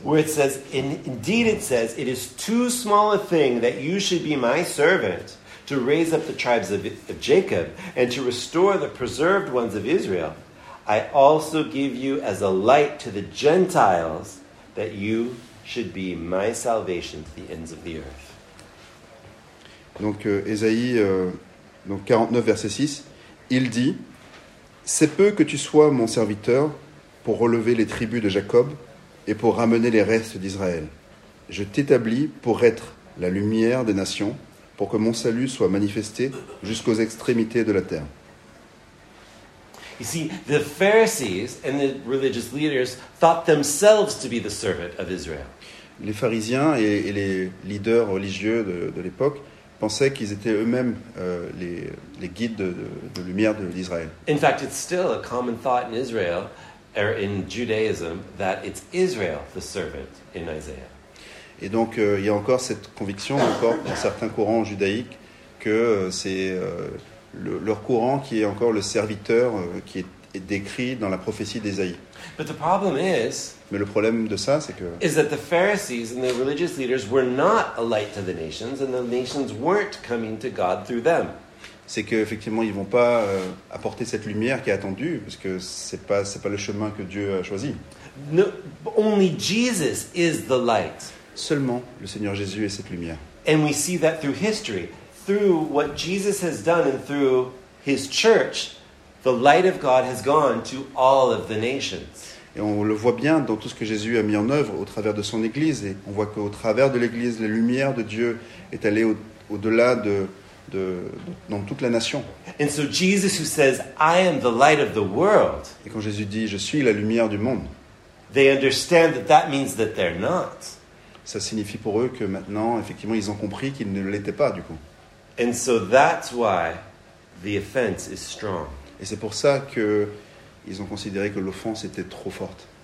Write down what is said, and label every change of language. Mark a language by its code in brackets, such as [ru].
[en] Where it says, indeed it says, it is too small a thing that you should be my servant to raise up the tribes of Jacob and to restore the preserved ones of Israel. I also give you as a light to the Gentiles that you should be my salvation to the ends of the earth. [fr] Donc Ésaïe 49 verset 6, il dit: c'est peu que tu sois mon serviteur pour relever les tribus de Jacob et pour ramener les restes d'Israël. Je t'établis pour être la lumière des nations, pour que mon salut soit manifesté jusqu'aux extrémités de la terre. [en] You see, the Pharisees and the religious leaders thought themselves to be the servant of Israel. [fr] Les pharisiens et les leaders religieux de l'époque pensaient qu'ils étaient eux-mêmes les guides de lumière d'Israël. [en] In fact, it's still a common thought in Israel, or in Judaism, that it's Israel the servant in Isaiah. [fr] Et donc, il y a encore cette conviction, encore dans certains courants judaïques, que c'est leur courant qui est encore le serviteur qui est décrit dans la prophétie d'Ésaïe. [en] But the problem is, [fr] mais le problème de ça, c'est que [en] is that the Pharisees and the religious leaders were not a light to the nations, and the nations weren't coming to God through them. [fr] c'est qu'effectivement, ils ne vont pas apporter cette lumière qui est attendue, parce que ce n'est pas, c'est pas le chemin que Dieu a choisi. [en] No, only Jesus is the light. [fr] Seulement le Seigneur Jésus est cette lumière. [en] And we see that through history, through what Jesus has done and through his church, the light of God has gone to all of the nations. [fr] Et on le voit bien dans tout ce que Jésus a mis en œuvre au travers de son Église. Et on voit qu'au travers de l'Église, la lumière de Dieu est allée au-delà dans toute la nation. [en] And so Jesus who says, I am the light of the world. [fr] Et quand Jésus dit, je suis la lumière du monde. [en] They understand that that means that they're not. [fr] Ça signifie pour eux que maintenant, effectivement, ils ont compris qu'ils ne l'étaient pas, du coup. [en] And so that's why the offense is strong. [fr] Et c'est pour ça qu'ils ont considéré que l'offense était trop forte.